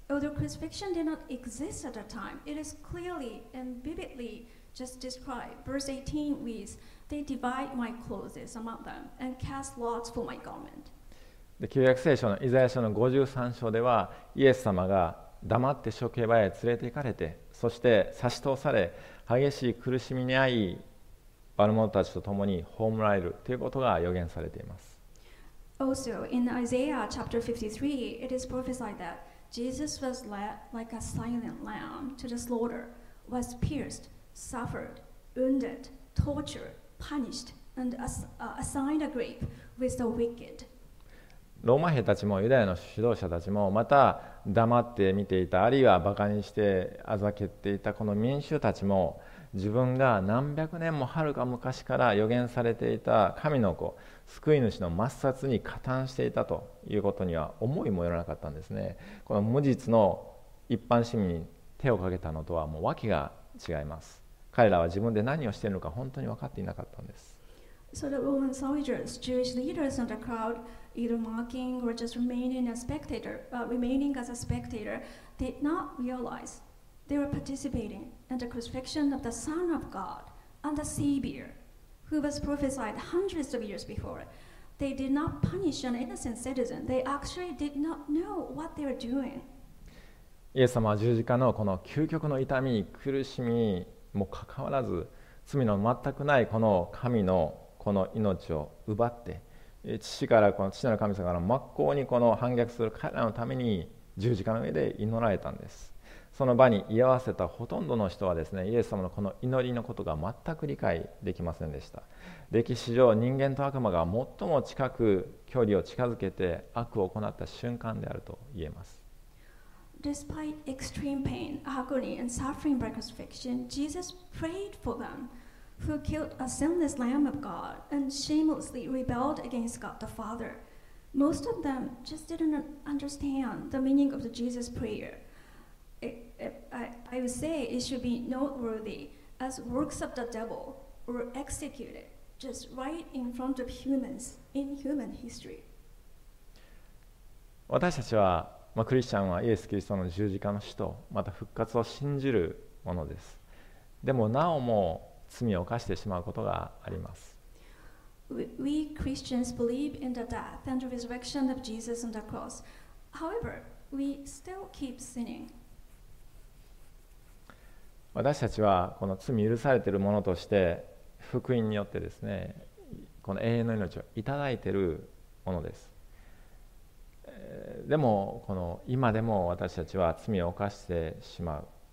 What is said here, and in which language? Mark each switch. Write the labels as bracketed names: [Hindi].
[English] Although crucifixion did not exist at the time, it is clearly and vividly just described. Verse 18 reads, They divide my clothes among them and cast lots for my garment. [Japanese] で、旧約聖書のイザヤ書の53章では、イエス様が黙って処刑場へ連れて行かれて、そして差し通され、激しい苦しみに遭い、バルモノたちと共に葬られるということが予言されています。 [English] Also, in Isaiah chapter 53, it is prophesied that Jesus was led like a silent lamb to the slaughter, was pierced, suffered, wounded, tortured, punished, and assigned a grave with the wicked. [Japanese] ローマ兵たちもユダヤの指導者たちもまた黙って見ていた、あるいはバカにしてあざけていたこの民衆たちも、自分が何百年もはるか昔から予言されていた神の子、救い主の抹殺に加担していたということには思いもよらなかったんですね。この無実の一般市民に手をかけたのとはもう訳が違います。彼らは自分で何をしているのか本当に分かっていなかったんです。 [English] So the Roman soldiers, Jewish leaders, and the crowd, either mocking or just remaining as a spectator, did not realize they were participating in the crucifixion of the Son of God and the Savior, who was prophesied hundreds of years before. They did not punish an innocent citizen. They actually did not know what they were doing. [Japanese] イエス様は十字架のこの究極の痛み、苦しみも関わらず、罪の全くないこの神のこの命を奪って、父からこの父なる神様から真っ向にこの反逆する彼らのために十字架の上で祈られたんです。その場に居合わせたほとんどの人はですね、イエス様のこの祈りのことが全く理解できませんでした。歴史上人間と悪魔が最も近く距離を近づけて悪を行った瞬間であると言えます。 [English] Despite extreme pain, agony, and suffering by crucifixion, Jesus prayed for themWho killed a sinless Lamb of God and shamelessly rebelled against God the Father? Most of them just didn't understand the meaning of the Jesus prayer. I would say it should be noteworthy as works of the devil were executed just right in front of humans in human history. [Japanese] 私たちは、まあ、クリスチャンはイエス・キリストの十字架の死とまた復活を信じるものです。でもなおも罪を犯してしまうことがあります。 [English] We Christians believe in the death and the resurrection of Jesus on the cross. However, we still keep sinning. [Japanese] 私たちはこの罪許されているものとして福音によってですね、この永遠の命をいただいているものです。でもこの今でも私たちは罪を犯してしまう。